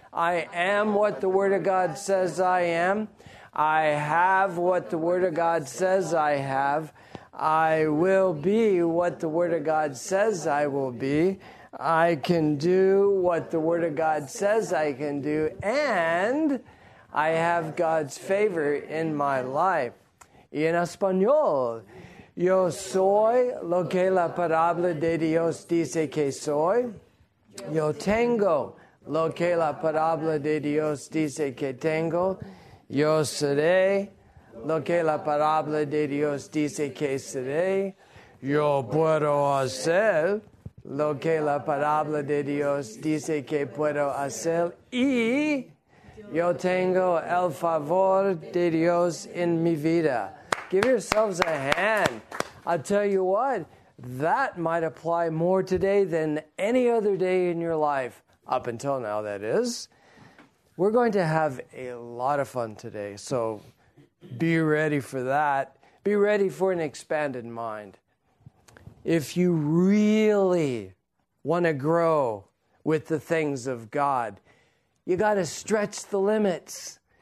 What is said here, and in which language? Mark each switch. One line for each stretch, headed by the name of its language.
English: I am what the Word of God says I am. I have what the Word of God says I have. I will be what the Word of God says I will be. I can do what the Word of God says I can do. And I have God's favor in my life.
Spanish: Y en español, yo soy lo que la palabra de Dios dice que soy. Yo tengo lo que la palabra de Dios dice que tengo. Yo seré lo que la palabra de Dios dice que seré. Yo puedo hacer lo que la palabra de Dios dice que puedo hacer. Y yo tengo el favor de Dios en mi vida.
English: Give yourselves a hand. I'll tell you what, that might apply more today than any other day in your life, up until now, that is. We're going to have a lot of fun today, so be ready for that. Be ready for an expanded mind. If you really want to grow with the things of God, you got to stretch the limits.